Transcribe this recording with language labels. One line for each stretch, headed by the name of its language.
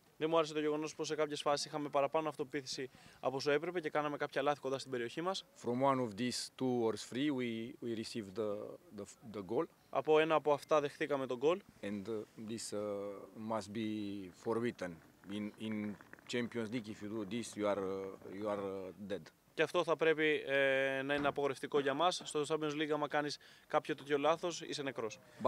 Greek: Δεν μου άρεσε το γεγονός πως σε κάποιες φάσεις είχαμε παραπάνω αυτοποίθηση από όσο έπρεπε και κάναμε κάποια λάθη κοντά στην περιοχή μας.
English: From one of these two or three we received the goal.
Greek: Από ένα από αυτά δεχτήκαμε τον goal.
English: And this must be forbidden in Champions League. If you do this, you are dead.
Greek: Και αυτό θα πρέπει να είναι απογορευτικό για μας. Στο Champions League, άμα κάνεις κάποιο τέτοιο λάθος, είσαι νεκρός.